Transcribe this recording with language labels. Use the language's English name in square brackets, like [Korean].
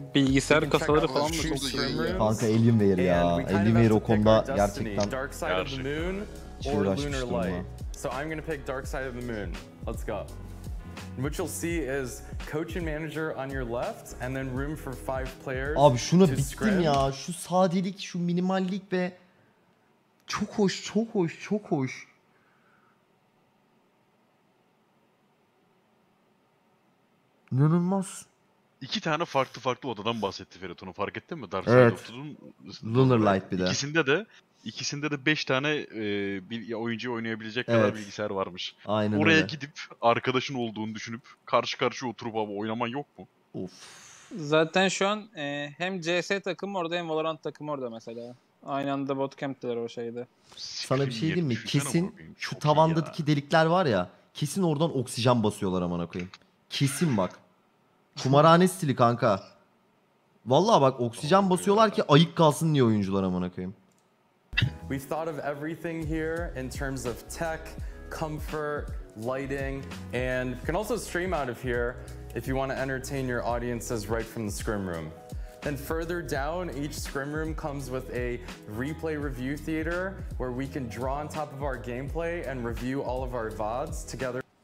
[Turkish] bilgisayar kasaları falan mı çok şey ya? Kanka Alien Veer ya. Alien Veer o konuda gerçekten Dark Side of the Moon or Lunar Light. [English] So I'm gonna pick Dark Side of the Moon. Let's go. What you'll see is coach and manager on your left and then room for 5 players. [Turkish] Abi şuna bittim ya. Şu sadelik, şu minimallik ve çok hoş, çok hoş, çok hoş. İnanılmaz. İki tane farklı farklı odadan bahsetti Ferit, onu fark ettin mi? Dark Side of the Moon, Lunar Light bir de. İkisinde de 5 tane oyuncuyu oynayabilecek kadar bilgisayar varmış. Aynen oraya öyle. Gidip arkadaşın olduğunu düşünüp karşı karşıya oturup abi oynaman yok mu? Of. Zaten şu an hem CS takımı orada hem Valorant takımı orada mesela. Aynı anda botcamp'teler o şeyde. Sana bir şey diyeyim mi? Kesin şu tavandaki delikler var ya, kesin oradan oksijen basıyorlar aman akoyim. Kesin bak. Kumarhane stili kanka. Vallahi bak oksijen basıyorlar ki ayık kalsın diye oyuncular amına koyayım. [English] We've thought of everything here in terms of tech, comfort, lighting and you can also stream out of here if you want to entertain your audiences right from the scrim room. Then further down, each scrim room comes with a replay review theater where we can draw on top of our gameplay and review all of our VODs together.